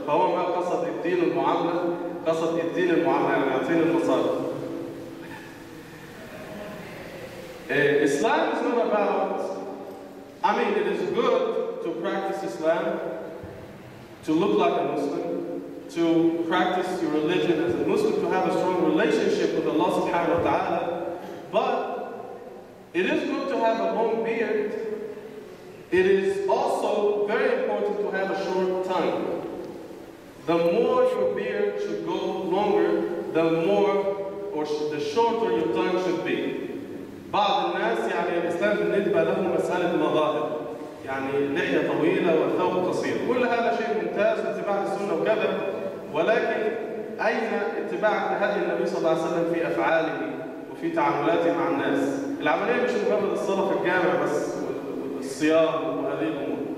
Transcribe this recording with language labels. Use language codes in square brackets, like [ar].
[ar] فهو ما قصد الدين المعاملة، قصد الدين المعاملة يعني يعطيني المصاري. [en] Islam is not about, I mean, it is good to practice Islam, to look like a Muslim, to practice your religion as a Muslim, to have a strong relationship with Allah subhanahu wa ta'ala, but it is good to have a long beard. It is also very important to have a short tongue. The more your beard should go longer, the more or the shorter your tongue should be. [ar] بعض الناس يعني الإسلام بالنسبة لهم مسألة مظاهر يعني لحية طويلة والثوب قصير كل هذا شيء ممتاز اتباع السنة وكذا ولكن أين اتباع هدي النبي صلى الله عليه وسلم في أفعاله وفي تعاملاته مع الناس العملية مش مجرد الصلاة في الجامع بس والصيام وهذه الأمور